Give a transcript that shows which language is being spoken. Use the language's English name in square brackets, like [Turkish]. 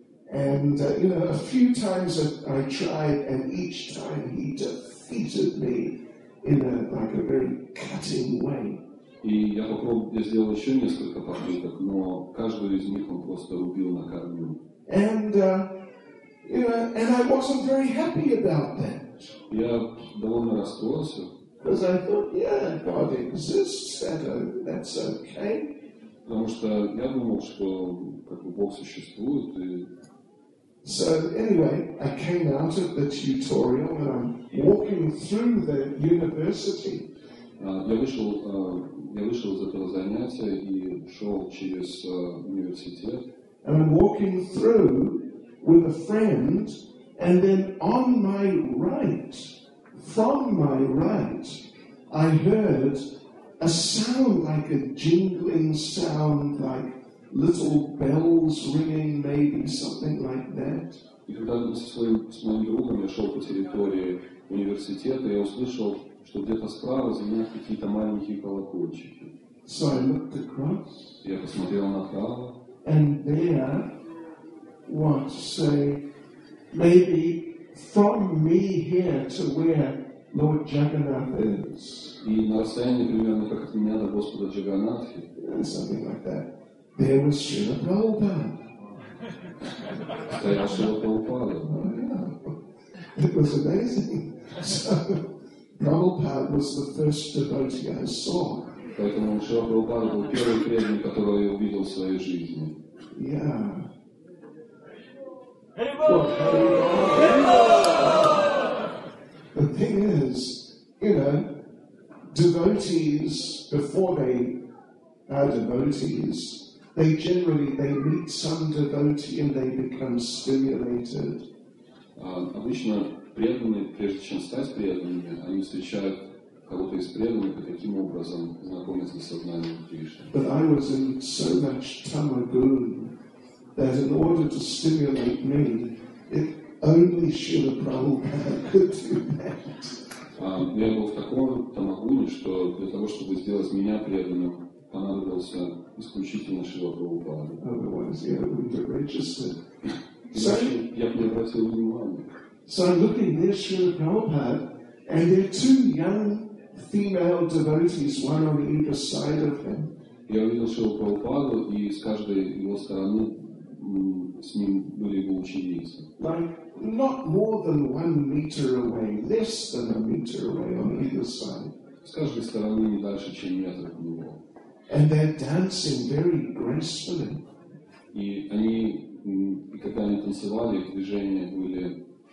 [English] And, you know, a few times I tried, and each time he defeated me in a very cutting way. [Russian] И я попробовал сделать еще несколько попыток, но каждую из них он просто убил на корню. [English] And, you know, and I wasn't very happy about that. [Russian] Я довольно расстроился. [English] Because I thought, yeah, God exists, that's okay. [Russian] Потому что я думал, что как бы Бог существует, и... [English] So anyway, I came out of the tutorial and I'm walking through the university. [Russian] Я вышел из этого занятия и шел через университет. [English] And I'm walking through with a friend, and then on my right, from my right, I heard a sound like a jingling sound, like little bells ringing, maybe something like that. [Russian] И когда с моим другом я шел по территории университета, я услышал, что где-то справа звенят какие-то маленькие колокольчики. [English] So I looked across. [Russian] Я посмотрел направо. [English] And there, what, say, maybe from me here to where Lord Jagannath is. [Russian] И на расстоянии примерно как от меня до Господа Джаганнатхи. [English] And something like that. There was Srila Prabhupada. [Russian] Стоял Srila Prabhupada. [English] Oh, yeah. It was amazing. So, Prabhupada was the first devotee I saw. [Russian] Поэтому Srila Prabhupada был первым преданным, которого я увидел в своей жизни. [English] Yeah. The thing is, you know, devotees, before they are devotees, They generally meet some devotee and they become stimulated. [Russian] Обычно преданные, прежде чем стать преданными, они встречают кого-то из преданных и таким образом знакомятся с сознанием Кришны. [English] But I was in so much tamagun that in order to stimulate me, it only Srila Prabhupada could do that. [Russian] Я был в таком тамагуне, что для того, чтобы сделать меня преданным, понадобился исключительно Шрила Прабхупаде. Я бы не обратил внимания. [English] So I'm looking near Srila Prabhupada, and there are two young female devotees, one on either side of him. [Russian] Я увидел Шрилу Прабхупаду, и с каждой его стороны с ним были его ученицы. [English] Like, not more than 1 meter away, less than 1 meter away on either side. [Russian] С каждой стороны не дальше, чем метр от него. [English] And they're dancing very gracefully. [Russian] И они, когда они танцевали, их движения были...